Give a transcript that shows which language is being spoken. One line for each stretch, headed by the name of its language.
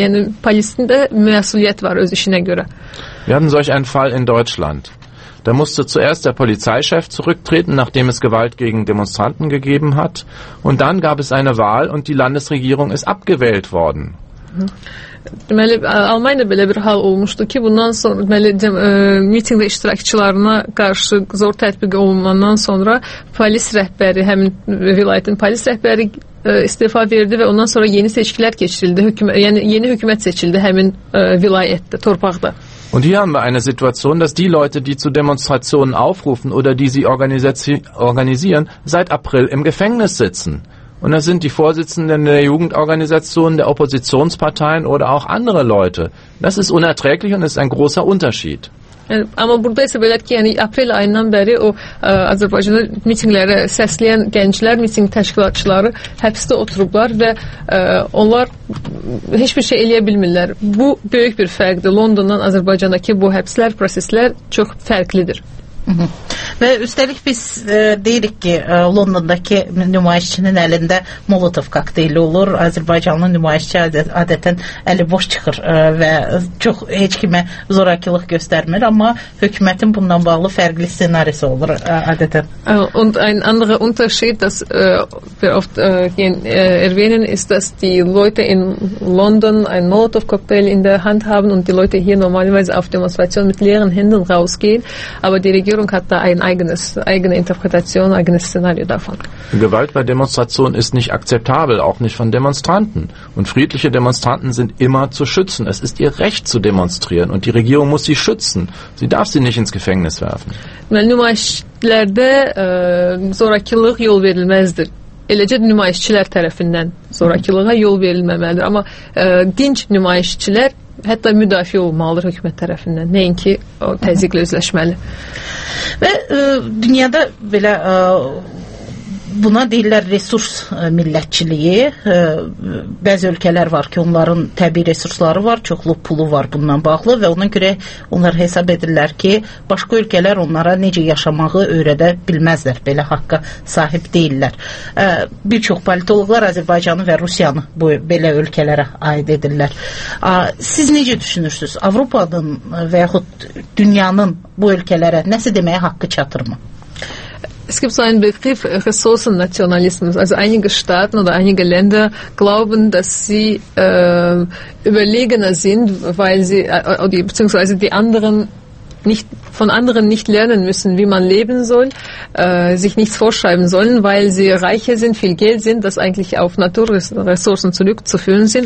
Azerbaijani: Yəni polisin də məsuliyyət var öz işinə görə.
German: Wir haben solch einen Fall in Deutschland. Da musste zuerst der Polizeichef zurücktreten, nachdem es Gewalt gegen Demonstranten gegeben hat. Und dann gab es eine Wahl und die Landesregierung ist abgewählt worden.
Azerbaijani: Deməli, Almanya belə bir hal olmuşdu ki, bundan sonra deməli mitinqdə iştirakçılarına qarşı zor tətbiq olunandan sonra polis rəhbəri, həmin vilayətin polis rəhbəri istifa verdi və ondan sonra yeni seçkilər keçirildi. Yeni hökumət seçildi həmin vilayətdə, torpaqda.
German: Und hier haben wir eine Situation, dass die Leute, die zu Demonstrationen aufrufen oder die sie organisieren, seit April im Gefängnis sitzen. Und das sind die Vorsitzenden der Jugendorganisationen, der Oppositionsparteien oder auch andere Leute. Das ist unerträglich und ist ein großer Unterschied.
Azerbaijani: Amma burada isə belə ki, yəni aprel ayından bəri o Azərbaycanda mitinqlərə səsləyən gənclər, mitinq təşkilatçıları həbsdə oturublar və onlar heç bir şey eləyə bilmirlər. Bu böyük bir fərqdir. Londondan Azərbaycandakı bu həbslər, proseslər çox fərqlidir. Və üstəlik biz deyirik ki, Londondakı nümayişçinin əlində Molotov kokteyli olur. Azərbaycanlı nümayişçi adətən əli boş çıxır və çox heç kimə zorakılıq göstərmir, amma hökumətin bundan bağlı fərqli ssenarisi olur adətən.
German: Und ein anderer Unterschied, dass wir oft erwähnen, ist, dass die Leute in London ein Molotov kokteyl in der Hand haben und die Leute hier normalerweise auf Demonstration mit leeren Händen rausgehen, aber die Regierung hat da eine eigene Interpretation, ein eigenes Szenario davon. Gewalt bei Demonstrationen ist nicht akzeptabel, auch nicht von Demonstranten. Und friedliche Demonstranten sind immer zu schützen. Es ist ihr Recht zu demonstrieren und die Regierung muss sie schützen. Sie darf sie nicht ins Gefängnis werfen.
Azerbaijani: Nümayişçilərdə zorakılıq yol verilməzdir. Eləcə nümayişçilər tərəfindən zorakılığa yol verilməməlidir. Amma dinç nümayişçilər hətta müdafiə olmalıdır hökumət tərəfindən, nəinki o təzyiqlə üzləşməli. Və dünyada belə buna deyirlər resurs millətçiliyi. Bəzi ölkələr var ki, onların təbii resursları var, çoxlu pulu var bundan bağlı və ona görə onlar hesab edirlər ki, başqa ölkələr onlara necə yaşamağı öyrədə bilməzlər, belə haqqa sahib deyirlər. Bir çox politologlar Azərbaycanı və Rusiyanı bu belə ölkələrə aid edirlər. Siz necə düşünürsünüz? Avropanın və yaxud dünyanın bu ölkələrə nəsə deməyə haqqı çatır mı?
German: Es gibt so einen Begriff Ressourcennationalismus. Also einige Staaten oder einige Länder glauben, dass sie überlegener sind, weil sie beziehungsweise die anderen nicht von anderen nicht lernen müssen, wie man leben soll, sich nichts vorschreiben sollen, weil sie reicher sind, viel Geld sind, das eigentlich auf Naturressourcen zurückzuführen sind.